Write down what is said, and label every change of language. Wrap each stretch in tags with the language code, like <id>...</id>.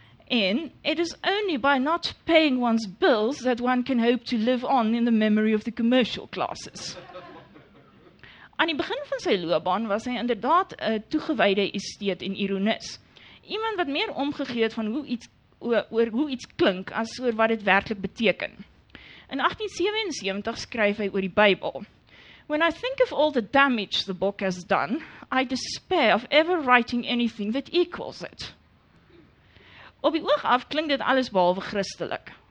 <en>En it is only by not paying one's bills that one can hope to live on in the memory of the commercial classes.</en> <af>Aan die begin van sy loopbaan was hy inderdaad 'n toegewyde esteet en ironis. Iemand wat meer omgegee het van hoe iets oor hoe iets klink as oor wat dit werklik beteken. In 1877 skryf hy oor die Bybel.</af> <en>When I think of all the damage the book has done, I despair of ever writing anything that equals it.</en> <af>Op die oog af klink dit alles behalwe christelik.</af>